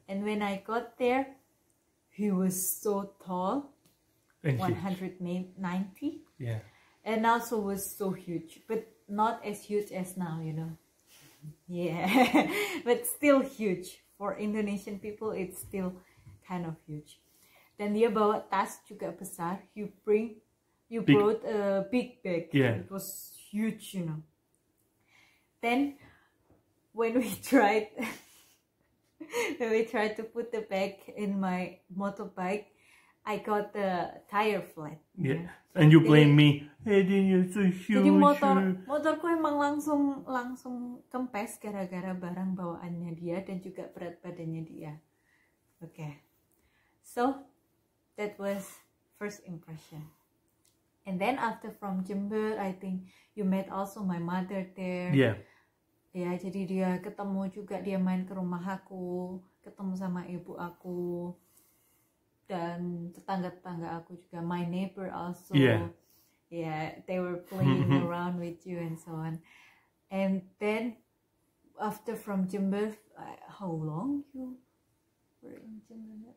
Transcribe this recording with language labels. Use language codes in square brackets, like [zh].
[en] And when I got there, he was so tall, and 190. Huge. Yeah. And also was so huge, but not as huge as now, you know. Yeah, but still huge. For Indonesian people, it's still kind of huge. [id] Then dia bawa tas juga besar. [en] You brought a big bag. Yeah. It was huge, you know. Then when we tried to put the bag in my motorbike, I got the tire flat. Yeah. Know? And you blame me. Hey, then you're so huge. [id] Jadi motorku emang langsung kempes gara-gara barang bawaannya dia dan juga berat badannya dia. [en] Okay. So that was first impression. And then after from Jember, I think you met also my mother there. Yeah. [id] Ya, jadi dia ketemu juga, dia main ke rumah aku, ketemu sama ibu aku, dan tetangga-tetangga aku juga, [en] my neighbor also. Yeah. Yeah, they were playing around with you and so on. And then after from Jember, how long you were in Jember?